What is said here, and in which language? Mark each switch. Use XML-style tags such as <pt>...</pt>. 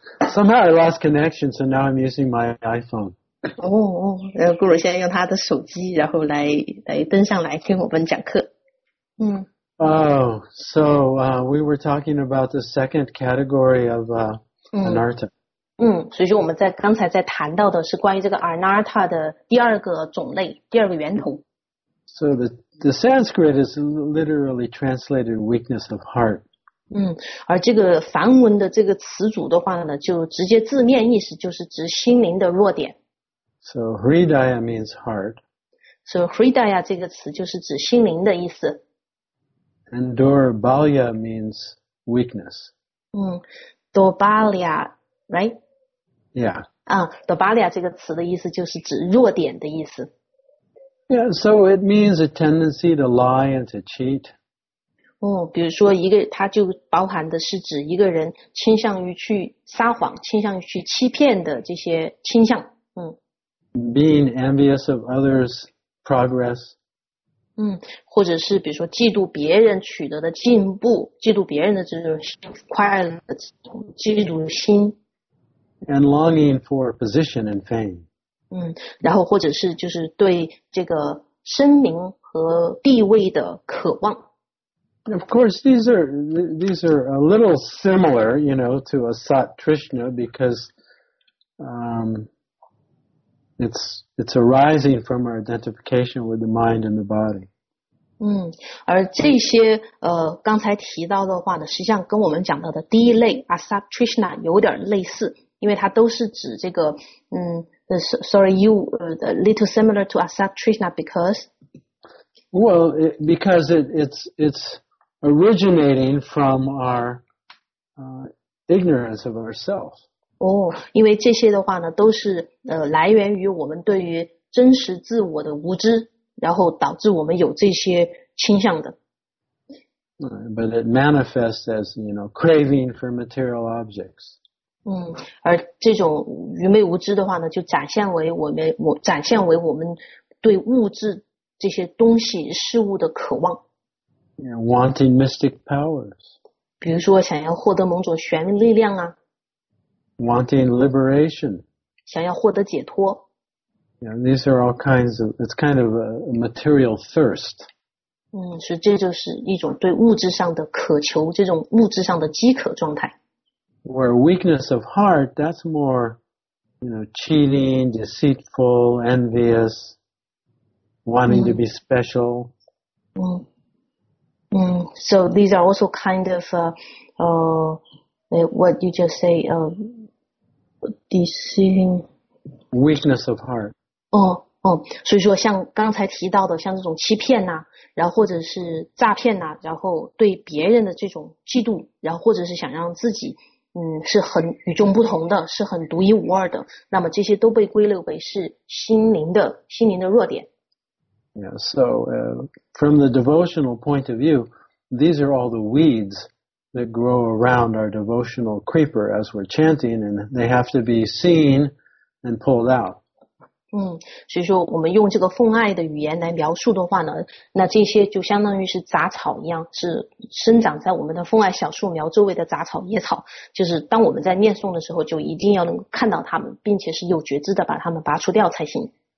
<en>Somehow I lost connection, so now I'm using my iPhone.</en> <zh>哦，顾鲁现在用他的手机，然后来登上来听我们讲课。嗯。</zh> <en>Oh, so we were talking about the second category of anartha.</en> <zh>嗯，所以说我们在刚才在谈到的是关于这个 anartha 的第二个种类，第二个源头。</zh> <en>So the Sanskrit is literally translated weakness of heart.</en> <zh>嗯，而这个梵文的这个词组的话呢，就直接字面意思就是指心灵的弱点。</zh> <en>So hridaya means heart.</en> <zh>So hridaya 这个词就是指心灵的意思。</zh> <en>And durbalya means weakness. 嗯 ，durbalya, right? Yeah.</en> <zh>啊 ，durbalya 这个词的意思就是指弱点的意思。</zh> <en>Yeah, so it means a tendency to lie and to cheat.</en> <zh>哦，比如说一个，它就包含的是指一个人倾向于去撒谎，倾向于去欺骗的这些倾向。</zh> <en>Being envious of others' progress.</en> <zh>嗯，或者是比如说嫉妒别人取得的进步，嫉妒别人的这种快乐的这种嫉妒心。</zh> <en>And longing for position and fame.</en> <zh>嗯，然后或者是就是对这个声名和地位的渴望。</zh> <en>Of course, these are a little similar, you know, to asat Trishna because, It's arising from our identification with the mind and the body.</en> <zh>嗯，而这些刚才提到的话呢，实际上跟我们讲到的第一类 asat Trishna 有点类似，因为它都是指这个</zh> <en>a little similar to asat Trishna because. Well, it's originating from our ignorance of ourselves.</en> <zh>Oh, 因为这些的话呢都是来源于我们对于真实自我的无知，然后导致我们有这些倾向的。</zh> <en>But it manifests as, you know, craving for material objects.</en> <zh>嗯，而这种愚昧无知的话呢就展现为我们对物质这些东西事物的渴望。</zh> <en>Yeah, wanting mystic powers.</en> <zh>比如说想要获得某种玄力量啊。</zh> <en>Wanting liberation.</en> <zh>想要获得解脱。</zh> <en>Yeah, these are all kinds of, it's kind of a material thirst.</en> <zh>嗯，是，这就是一种对物质上的渴求，这种物质上的饥渴状态。</zh> <en>Where weakness of heart, that's more, you know, cheating, deceitful, envious, wanting to be special. 嗯，so these are also kind of, what you just say, deceiving weakness of heart.</en> <zh>哦，所以说像刚才提到的，像这种欺骗呐，然后或者是诈骗呐，然后对别人的这种嫉妒，然后或者是想让自己是很与众不同的，是很独一无二的，那么这些都被归类为是心灵的弱点。</zh> <en>Yeah, so from the devotional point of view, these are all the weeds that grow around our devotional creeper as we're chanting, and they have to be seen and pulled out.</en> <zh>嗯，所以说我们用这个奉爱的语言来描述的话呢，那这些就相当于是杂草一样，是生长在我们的奉爱小树苗周围的杂草野草，就是当我们在念诵的时候就一定要能看到它们，并且是有觉知的把它们拔出掉才行。</zh>